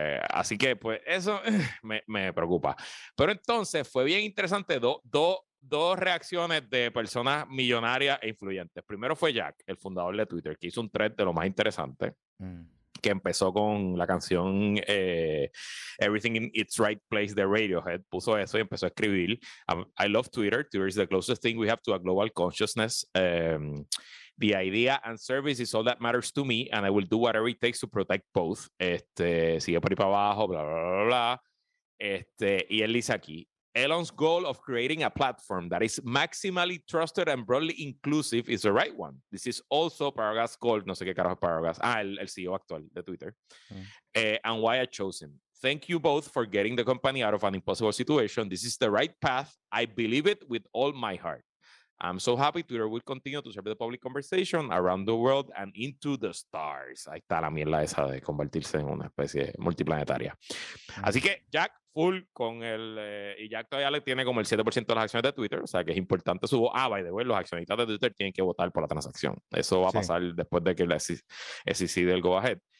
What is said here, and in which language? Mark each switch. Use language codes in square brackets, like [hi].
[es] Así que, pues, eso me preocupa. Pero entonces, fue bien interesante, dos reacciones de personas millonarias e influyentes. Primero fue Jack, el fundador de Twitter, que hizo un thread de lo más interesante, que empezó con la canción Everything in Its Right Place de Radiohead, puso eso y empezó a escribir: [en] I love Twitter. Twitter is the closest thing we have to a global consciousness. The idea and service is all that matters to me, and I will do whatever it takes to protect both. [es] Sigue por ahí para abajo, bla, bla, bla, bla. Y él dice aquí: [en] Elon's goal of creating a platform that is maximally trusted and broadly inclusive is the right one. This is also Paragas' goal. [es] No sé qué carajo es Paragas. Ah, el CEO actual de Twitter. [en] And why I chose him. Thank you both for getting the company out of an impossible situation. This is the right path. I believe it with all my heart. I'm so happy Twitter will continue to serve the public conversation around the world and into the stars. [es] Ahí está la mierda esa de convertirse en una especie multiplanetaria. Así que Jack full con el... y Jack todavía le tiene como el 7% de las acciones de Twitter, o sea que es importante su... Ah, [en] by the way, [es] los accionistas de Twitter tienen que votar por la transacción. Eso va a pasar después de que la SEC del [en] go ahead.